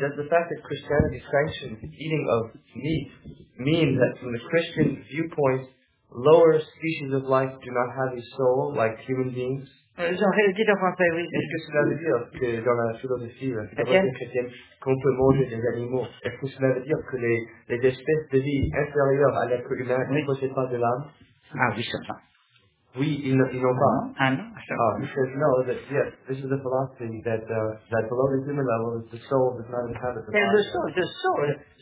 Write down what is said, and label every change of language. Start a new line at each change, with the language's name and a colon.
English: Does the fact that Christianity sanctions eating of meat mean that from the Christian viewpoint, lower species of life do not have a soul like human beings?
French: Est-ce que cela veut dire que dans la philosophie chrétienne, qu'on peut manger des animaux, est-ce que cela veut dire que les espèces de vie inférieures à l'être humain ne possèdent pas de l'âme?
English: Yes, this is the philosophy that that below the human level, the soul does not inhabit the body.